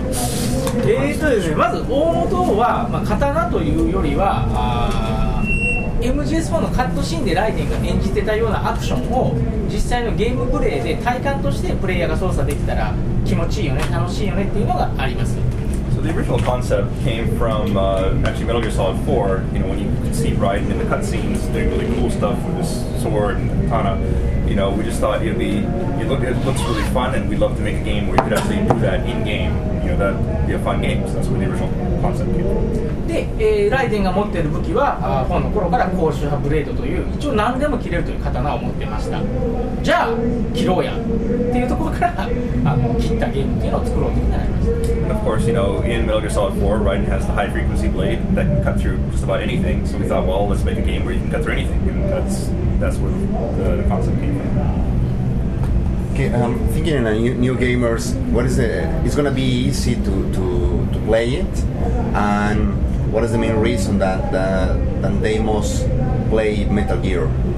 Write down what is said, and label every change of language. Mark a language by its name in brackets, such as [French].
[Japanese] ですね、まず大元は、まあ、刀というよりは、MGS4 のカットシーンでライデンが演じてたようなアクションを実際のゲームプレイで体感としてプレイヤーが操作できたら気持ちいいよね、楽しいよねっていうのがあります。 [English] The original concept came from actually Metal Gear Solid 4, you know, when you could see Raiden in the cutscenes doing really cool stuff with his sword and katana. You know, we just thought it looks really fun, and we'd love to make a game where you could actually do that in game. You know, that'd be a fun game. So that's where the original concept came from. [Japanese] で、Raiden が持っている武器は、本の頃から高周波ブレードという、一応何でも切れるという刀を持ってました。じゃあ、切ろうやっていうところから、切ったゲームっていうのを作ろうというふうになりました。 [English] Of course, you know, in Metal Gear Solid 4, Raiden has the high frequency blade that can cut through just about anything. So we thought, well, let's make a game where you can cut through anything. And that's where the concept came from. Okay, thinking of new gamers, what is it? It's going to be easy to play it, and what is the main reason that they must play Metal Gear?